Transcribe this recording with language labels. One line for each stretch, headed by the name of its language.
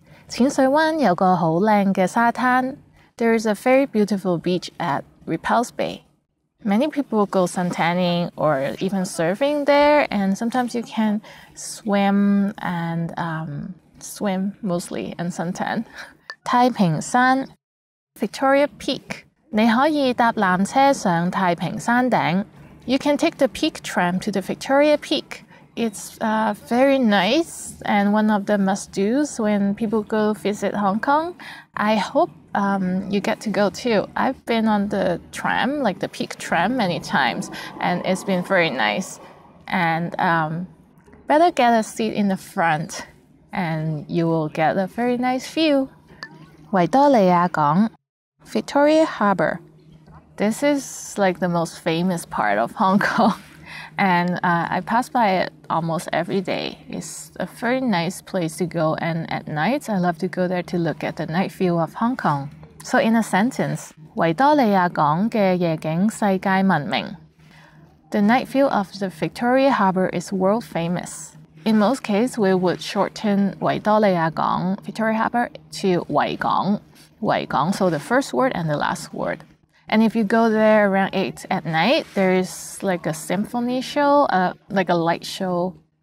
Cantonese: 淺水灣有個好靚嘅沙灘.
English: There is a very beautiful beach at Repulse Bay. Many people go suntanning or even surfing there, and sometimes you can swim and swim mostly and suntan.
Cantonese: 太平山, Victoria Peak. 你可以搭缆车上太平山顶.
English: You can take the peak tram to the Victoria Peak. It's very nice and one of the must-dos when people go visit Hong Kong. I hope you get to go too. I've been on the tram, like the peak tram, many times, and it's been very nice. And better get a seat in the front and you will get a very nice view.
Cantonese: 維多利亞港,
English: Victoria Harbour. This is like the most famous part of Hong Kong, and I pass by it almost every day. It's a very nice place to go, and at night I love to go there to look at the night view of Hong Kong. So in a sentence,
Cantonese: 維多利亞港嘅夜景世界聞名.
English: The night view of the Victoria Harbour is world famous. In most cases, we would shorten 維多利亞港, Victoria Harbour, to 維港. 維港, so the first word and the last word. And if you go there around 8 at night, there is like a symphony show, like a light show.